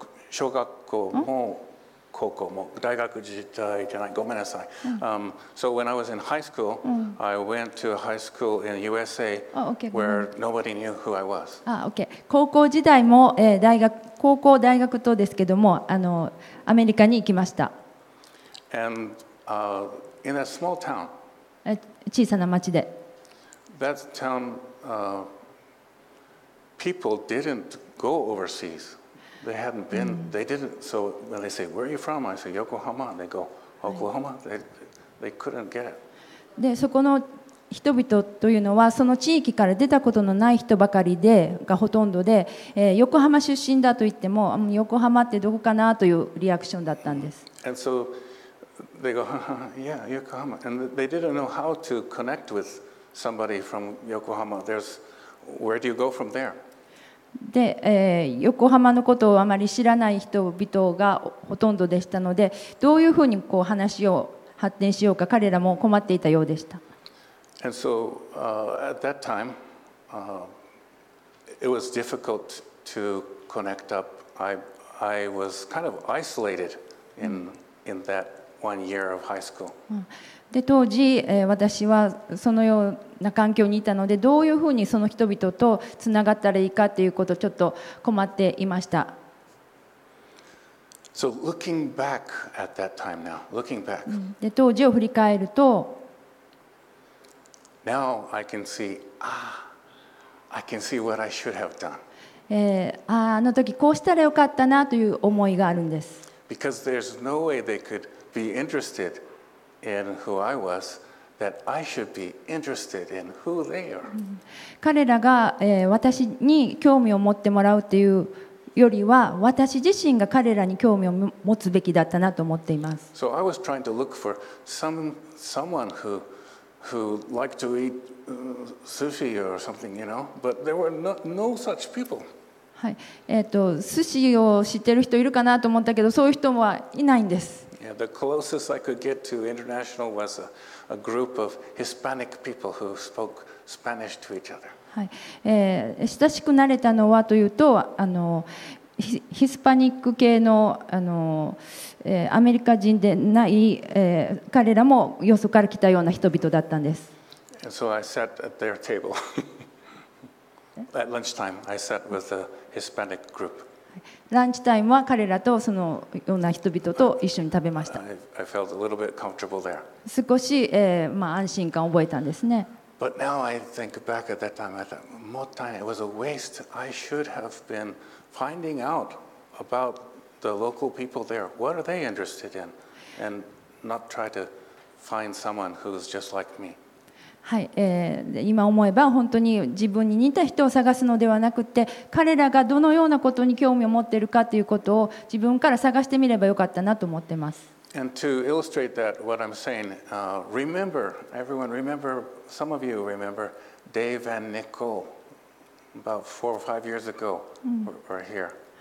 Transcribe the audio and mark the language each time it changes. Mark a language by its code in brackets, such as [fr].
[ja] 小学校も高校も大学時代じゃない、ごめんなさい。 [en] So when I was in high school, I went to a high school in USA where nobody knew who I was. Okay. [ja] 高校時代も、大学、高校大学とですけども、アメリカに行きました。 [en] And, in a small town, [ja] 小さな町で、 [en] That town, people didn't go overseas. They hadn't been. They didn't. So when they say, "Where are you from?" I say, "Yokohama." They go, "Oklahoma." They couldn't get it. [ja] で、そこの人々というのはその地域から出たことのない人ばかりで、がほとんどで、横浜出身だと言っても、横浜ってどこかなというリアクションだったんです。 [en] And so they go, "Yeah, Yokohama." And they didn't know how to connect with somebody from Yokohama. There's Where do you go from there? [ja] で、横浜のことをあまり知らない人々がほとんどでしたので、どういうふうにこう話を発展しようか彼らも困っていたようでした。 [en] And so, at that time, it was difficult to connect up. I was kind of isolated in that one year of high school. [ja] で、当時、私はそのようなな環境にいたので、どういうふうにその人々とつながったらいいかということをちょっと困っていました。 [en] So looking back at that time now, looking back, [ja] 当時を振り返ると、 [en] Now I can see, I can see what I should have done. [ja] あの時こうしたらよかったなという思いがあるんです。 [en] Because there's no way they could be interested in who I was. That I should be interested in who they are. [ja] 彼らが、私に興味を持ってもらうというよりは、私自身が彼らに興味を持つべきだったなと思っています。 [en] So I was trying to look for someone who liked to eat sushi or something, you know, but there were no such people. [ja] はい、寿司を知ってる人いるかなと思ったけど、そういう人はいないんです。 [en] Yeah, the closest I could get to international was a group of Hispanic people who spoke Spanish to each other. [ja] はい、親しくなれたのはというと、ヒスパニック系の、アメリカ人でない、彼らもよそから来たような人々だったんです。 [en] And so I sat at their table. At lunchtime, I sat with a Hispanic group. [ja] ランチタイムは彼らとそのような人々と一緒に食べました。 [en] I felt a little bit comfortable there. [ja] 少し、まあ、安心感を覚えたんですね。 [en] But now I think back at that time, I thought, [ja] もったいない。 [en] It was a waste. I should have been finding out about the local people there. What are they interested in? And not try to find someone who's just like me. [ja] はい、今思えば本当に自分に似た人を探すのではなくて、彼らがどのようなことに興味を持っているかということを自分から探してみればよかったなと思っています。 [en] And to illustrate that, what I'm saying, remember, everyone remember, some of you remember Dave and Nicole about four or five years ago were here.